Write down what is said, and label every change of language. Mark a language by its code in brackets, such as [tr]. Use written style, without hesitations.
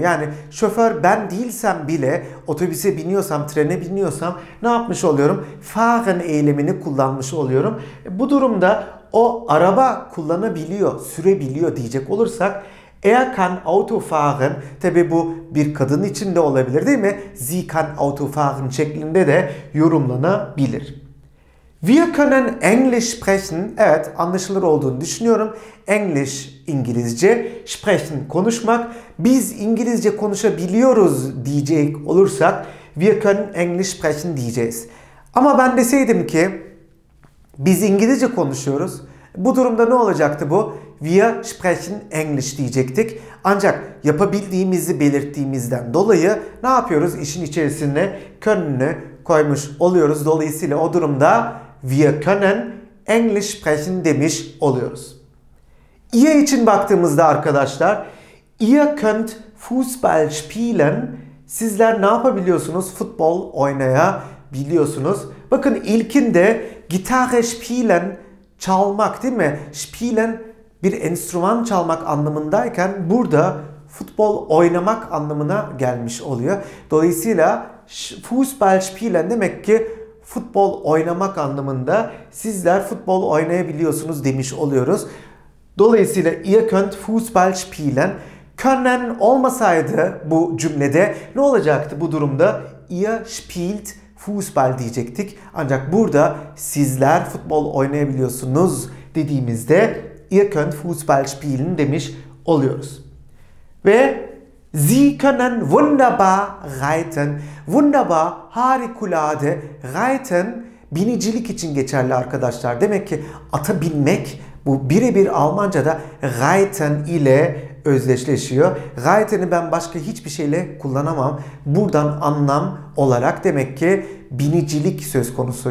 [tr] Yani şoför ben değilsem bile otobüse biniyorsam, trene biniyorsam ne yapmış oluyorum? Fahren eylemini kullanmış oluyorum. Bu durumda o araba kullanabiliyor, sürebiliyor diyecek olursak [de] er kann Auto fahren, [tr] tabi bu bir kadın için de olabilir değil mi? [de] Sie kann Auto fahren [tr] şeklinde de yorumlanabilir. [de] Wir können Englisch sprechen. [tr] Evet, anlaşılır olduğunu düşünüyorum. English, İngilizce. Sprechen, konuşmak. Biz İngilizce konuşabiliyoruz diyecek olursak [de] wir können Englisch sprechen [tr] diyeceğiz. Ama ben deseydim ki biz İngilizce konuşuyoruz. Bu durumda ne olacaktı bu? [de] Wir sprechen Englisch [tr] diyecektik. Ancak yapabildiğimizi belirttiğimizden dolayı ne yapıyoruz? İşin içerisine können'ü koymuş oluyoruz. Dolayısıyla o durumda [de] wir können Englisch sprechen [tr] demiş oluyoruz. Ihr için baktığımızda arkadaşlar [de] ihr könnt Fußball spielen. [tr] Sizler ne yapabiliyorsunuz? Futbol oynayabiliyorsunuz. Bakın ilkinde Gitarre spielen çalmak değil mi? Spielen bir enstrüman çalmak anlamındayken burada futbol oynamak anlamına gelmiş oluyor. Dolayısıyla Fußball spielen demek ki futbol oynamak anlamında sizler futbol oynayabiliyorsunuz demiş oluyoruz. Dolayısıyla [de] ihr könnt Fußball spielen. [tr] Können olmasaydı bu cümlede ne olacaktı bu durumda? [de] Ihr spielt Fußball [tr] diyecektik. Ancak burada sizler futbol oynayabiliyorsunuz dediğimizde [de] ihr könnt Fußball spielen [tr] demiş oluyoruz. [de] Ve Sie können wunderbar reiten. [tr] Wunderbar, harikulade. Reiten, binicilik için geçerli arkadaşlar. Demek ki ata binmek, bu birebir Almanca'da reiten ile özdeşleşiyor. Reiten'i ben başka hiçbir şeyle kullanamam. Buradan anlam olarak demek ki binicilik söz konusu.